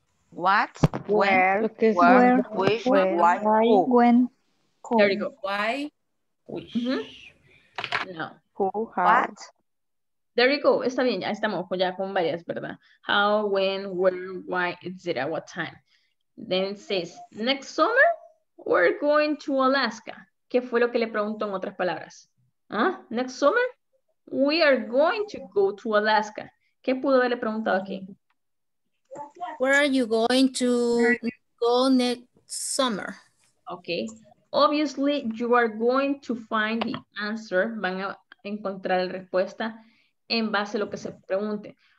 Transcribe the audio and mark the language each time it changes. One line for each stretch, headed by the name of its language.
English: What? Where? Why? When? There you go. Why? Which? Mm-hmm. No. Who? How? What? There you go.
Spanish: Está bien, ya estamos ya con varias, ¿verdad?
English: How, when, where, why, etc. What time? Then it says, next summer, we're going to Alaska.
Spanish: ¿Qué fue lo que le preguntó en otras palabras?
English: ¿Ah? Next summer, we are going to go to Alaska.
Spanish: ¿Qué pudo haberle preguntado aquí?
English: Where are you going to go next summer? Okay. Obviously, you are going to find the answer.
Spanish: Van a encontrar la respuesta en base a lo que se pregunte.